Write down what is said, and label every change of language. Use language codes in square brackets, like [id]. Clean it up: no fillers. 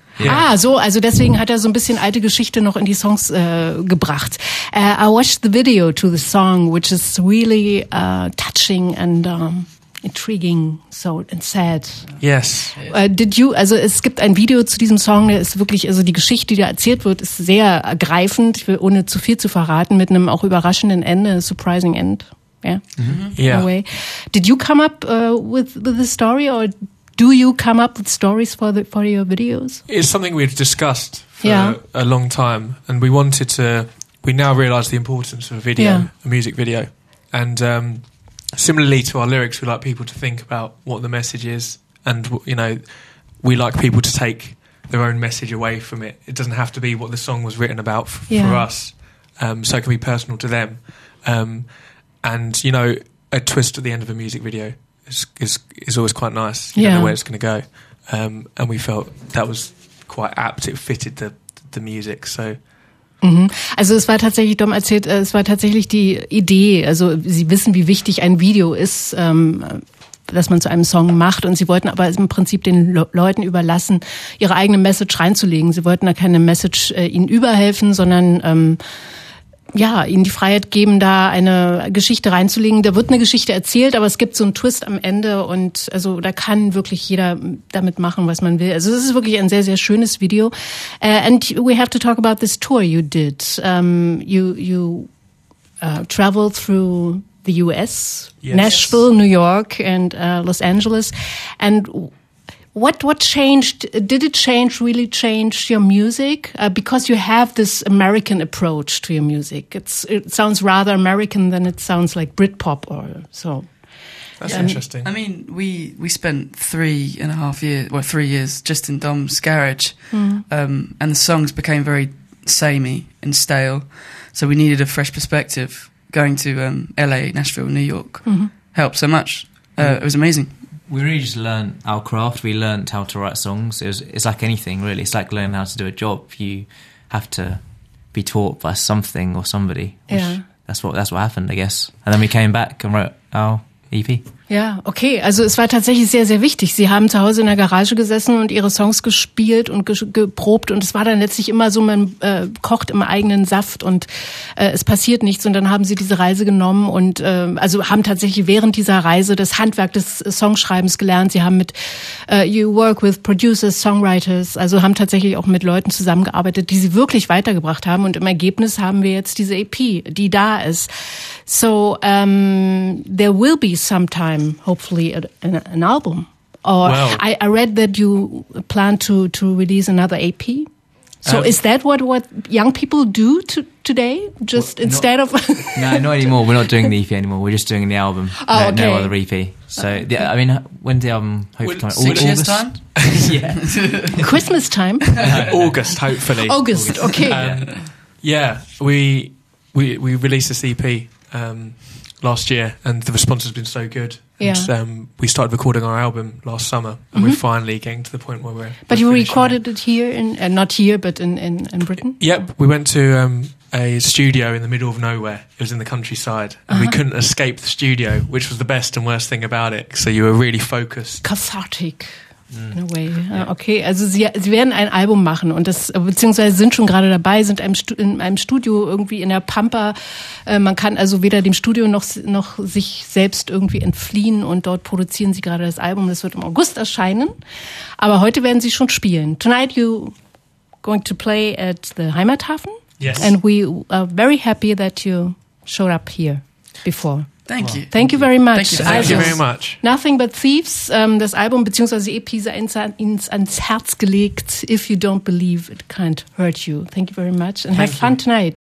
[de] Yeah. Ah, so, also deswegen hat er so ein bisschen alte Geschichte noch in die Songs gebracht. [en] I watched the video to the song, which is really touching and intriguing, so and sad. Yes. Did you, [de] also es gibt ein Video zu diesem Song, der ist wirklich, also die Geschichte, die da erzählt wird, ist sehr ergreifend, ohne zu viel zu verraten, mit einem auch überraschenden Ende, [en] surprising end. Yeah. Mm-hmm. Yeah. In a way. Did you come up with the story or do you come up with stories for your videos? It's something we've discussed for a long time, and we wanted to. We now realize the importance of a video, a music video, and similarly to our lyrics, we like people to think about what the message is, and you know, we like people to take their own message away from it. It doesn't have to be what the song was written about for us, so it can be personal to them, and you know, a twist at the end of a music video. It's always quite nice, you know where it's going to go, and we felt that was quite apt. It fitted the music, so. Mhm. [de] Also es war tatsächlich, Dom erzählt, es war tatsächlich die Idee. Also sie wissen, wie wichtig ein Video ist, dass man zu einem Song macht, und sie wollten aber im Prinzip den Leuten überlassen, ihre eigene Message reinzulegen. Sie wollten da keine Message ihnen überhelfen, sondern ja, ihnen die Freiheit geben, da eine Geschichte reinzulegen. Da wird eine Geschichte erzählt, aber es gibt so einen Twist am Ende, und also da kann wirklich jeder damit machen, was man will. Also es ist wirklich ein sehr, sehr schönes Video. [en] And we have to talk about this tour you did. You traveled through the US, Nashville, New York and Los Angeles. And what changed? Did it change? Really change your music? Because you have this American approach to your music. It sounds rather American than it sounds like Britpop, or so. That's interesting. I mean, we spent 3 years just in Dom's garage, and the songs became very samey and stale. So we needed a fresh perspective. Going to LA, Nashville, New York helped so much. It was amazing. We really just learned our craft. We learned how to write songs. It's like anything, really. It's like learning how to do a job. You have to be taught by something or somebody. That's what happened, I guess. And then we came back and wrote our EP. [de] Ja, okay. Also es war tatsächlich sehr, sehr wichtig. Sie haben zu Hause in der Garage gesessen und ihre Songs gespielt und geprobt. Und es war dann letztlich immer so, man kocht im eigenen Saft und es passiert nichts. Und dann haben sie diese Reise genommen und also haben tatsächlich während dieser Reise das Handwerk des Songschreibens gelernt. Sie haben mit [en] you work with producers, songwriters, [de] also haben tatsächlich auch mit Leuten zusammengearbeitet, die sie wirklich weitergebracht haben. Und im Ergebnis haben wir jetzt diese EP, die da ist. [en] So there will be some time. Hopefully an album, or I read that you plan to release another EP. So is that what young people do today? Not anymore. We're not doing the EP anymore. We're just doing the album. No other EP. So I mean, when's the album? Hopefully, August. Time? Christmas time. August, hopefully. August. Okay. We released this EP last year, and the response has been so good. Yeah. And we started recording our album last summer, and we're finally getting to the point where we're. But we're recorded it here, in Britain? Yep, we went to a studio in the middle of nowhere. It was in the countryside, and we couldn't escape the studio, which was the best and worst thing about it. So you were really focused. Cathartic. In a way. Yeah. [de] Okay, also sie werden ein Album machen, und das, beziehungsweise sind schon gerade dabei, sind in einem Studio irgendwie in der Pampa. Man kann also weder dem Studio noch sich selbst irgendwie entfliehen, und dort produzieren sie gerade das Album. Das wird im August erscheinen, aber heute werden sie schon spielen. [en] Tonight you going to play at the Heimathafen. Yes. And we are very happy that you showed up here before. Thank you very much. [de] Nothing But Thieves, das Album bzw. EP sei ins ans Herz gelegt. [en] If you don't believe, it can't hurt you. Thank you very much and have fun tonight.